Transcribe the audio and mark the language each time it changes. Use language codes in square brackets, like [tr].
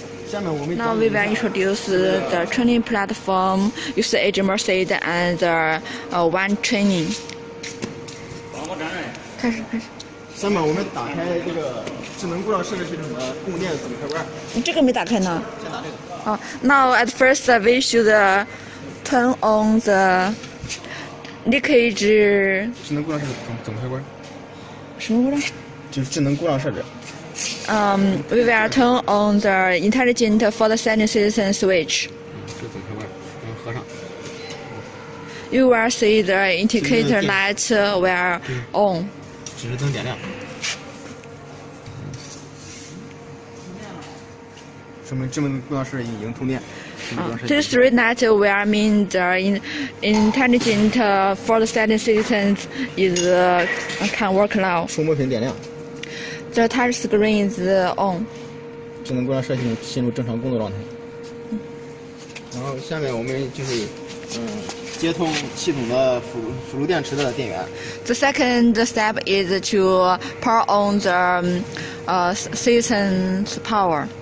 [zh] 下面我们。 [en] Now we will introduce the training platform using a Mercedes and the one training。 [zh] 开始。下面我们打开这个智能故障设备系统的供电子开关。你这个没打开呢？先打这个。 [en] Now at first we should turn on the。 leakage [zh] 智能故障设置怎么开关？什么故障？就是智能故障设置。 [en] We will turn on the intelligent fault setting system switch。 [zh] 这怎么开关？合上。 [en] You will see the indicator light will on。 [zh] 指示灯点亮。说明智能故障设置已经通电。 [en] These three lights will mean the intelligent fault setting system is can work now. [zh] 触摸屏点亮。 [en] The touch screen is on. [zh] 智能故障设置进入正常工作状态。然后下面我们就是接通系统的辅助电池的电源。 [en] The second step is to power on the system's power.